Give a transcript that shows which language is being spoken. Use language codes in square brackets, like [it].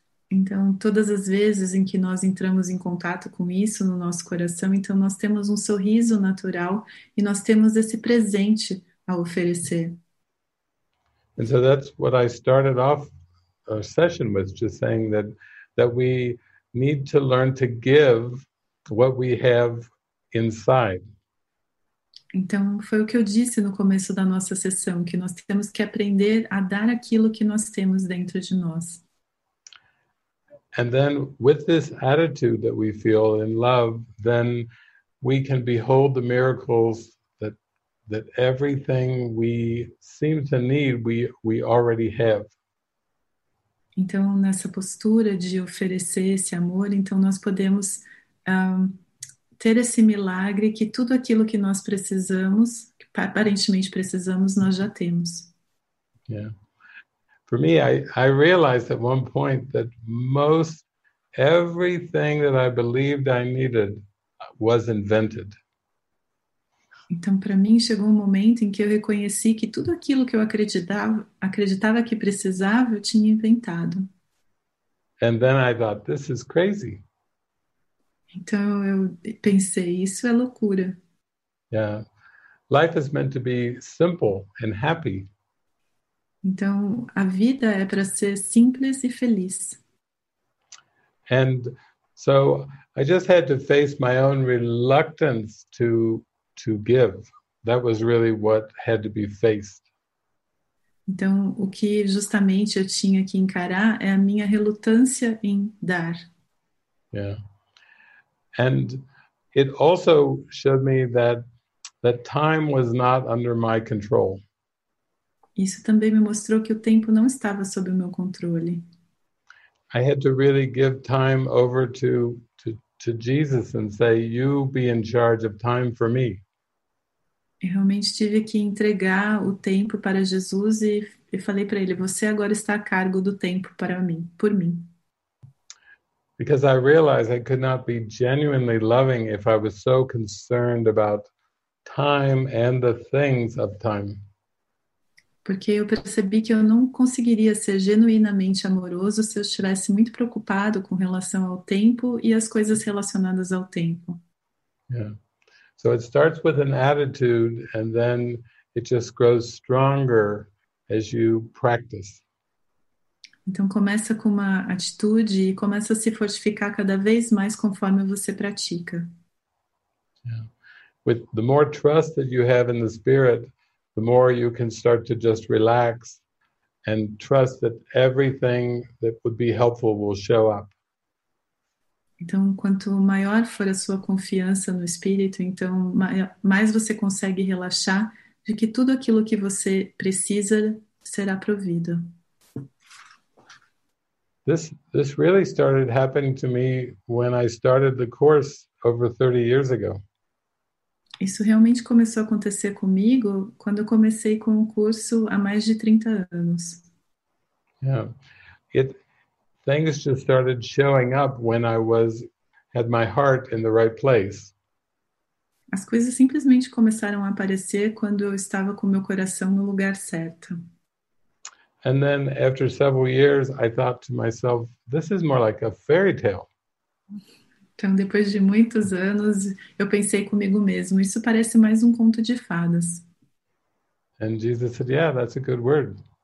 [pt] Então, todas as vezes em que nós entramos em contato com isso no nosso coração, então nós temos um sorriso natural e nós temos esse presente a oferecer. [en] And so that's what I started off our session with, just saying that we need to learn to give what we have inside. [pt] Então, foi o que eu disse no começo da nossa sessão, que nós temos que aprender a dar aquilo que nós temos dentro de nós. [en] And then, with this attitude that we feel in love, then we can behold the miracles that everything we seem to need, we already have. [pt] Então, nessa postura de oferecer esse amor, então nós podemos ter esse milagre que tudo aquilo que nós precisamos, que aparentemente precisamos, nós já temos. [en] Yeah. For me, I realized at one point that most everything that I believed I needed was invented. [pt] Então, para mim, chegou um momento em que eu reconheci que tudo aquilo que eu acreditava que precisava, eu tinha inventado. [en] And then I thought, this is crazy. [pt] Então, eu pensei, isso é loucura. [en] Yeah. Life is meant to be simple and happy. [pt] Então, a vida é para ser simples e feliz. [en] And so I just had to face my own reluctance to give. That was really what had to be faced. [pt] Então, o que justamente eu tinha que encarar é a minha relutância em dar. [en] Yeah. And it also showed me that time was not under my control. [pt] Isso também me mostrou que o tempo não estava sob o meu controle. [en] I had to really give time over to Jesus and say, "You be in charge of time for me." [pt] Eu realmente tive que entregar o tempo para Jesus e falei para ele, você agora está a cargo do tempo para mim, por mim. [en] Because I realized I could not be genuinely loving if I was so concerned about time and the things of time. [pt] Porque eu percebi que eu não conseguiria ser genuinamente amoroso se eu estivesse muito preocupado com relação ao tempo e as coisas relacionadas ao tempo. [en] Yeah. So it starts with an attitude and then it just grows stronger as you practice. [pt] Então começa com uma atitude e começa a se fortificar cada vez mais conforme você pratica. [en] Yeah. With the more trust that you have in the spirit, the more you can start to just relax and trust that everything that would be helpful will show up. [pt] Então, quanto maior for a sua confiança no espírito, então mais você consegue relaxar de que tudo aquilo que você precisa será provido. [en] This really started happening to me when I started the course over 30 years ago. [pt] Isso realmente começou a acontecer comigo quando eu comecei com o curso há mais de 30 anos. [en] Yeah. Things just started showing up when I had my heart in the right place. [pt] As coisas simplesmente começaram a aparecer quando eu estava com meu coração no lugar certo. [en] And then after several years I thought to myself, this is more like a fairy tale. [pt] Então, depois de muitos anos, eu pensei comigo mesmo, isso parece mais um conto de fadas. [en] And Jesus said, yeah, that's a good word.